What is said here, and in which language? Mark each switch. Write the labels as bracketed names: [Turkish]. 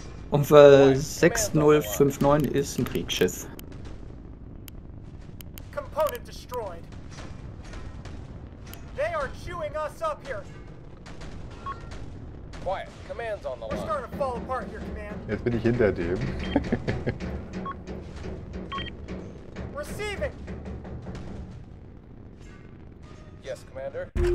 [German] Und weil 6059 ist ein Kriegsschiff. [English] Component destroyed. They are chewing us up here. Quiet. Command's on the line. We're starting to fall apart here, Command. [German] Jetzt bin ich hinter dem. [English] Receiving. Yes, Commander.